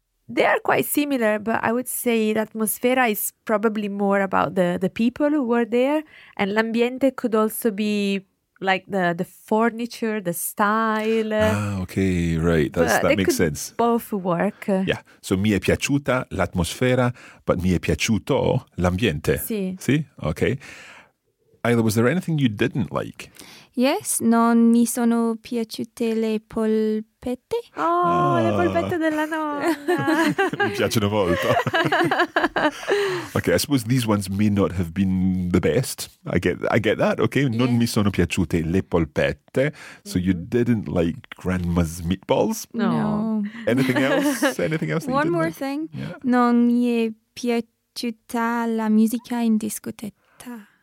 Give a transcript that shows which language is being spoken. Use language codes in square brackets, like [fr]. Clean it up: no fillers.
[en] They are quite similar, but I would say l'atmosfera is probably more about the people who were there, and l'ambiente could also be like the furniture, the style. Ah, okay, right. That makes sense. Both work. Yeah. So [it] mi è piaciuta l'atmosfera, [en] but [it] mi è piaciuto l'ambiente. Sì. Sì? Okay. [en] Ayla, was there anything you didn't like? [it] Yes, non mi sono piaciute le polpette. Oh, le polpette della nonna. Mi piacciono molto. [en] Okay, I suppose these ones may not have been the best. I get that, okay? [it] Non mi sono piaciute le polpette. [en] So you didn't like grandma's meatballs? No. Anything else? Anything else? One more like? Thing. Yeah. [it] Non mi è piaciuta la musica in discoteca.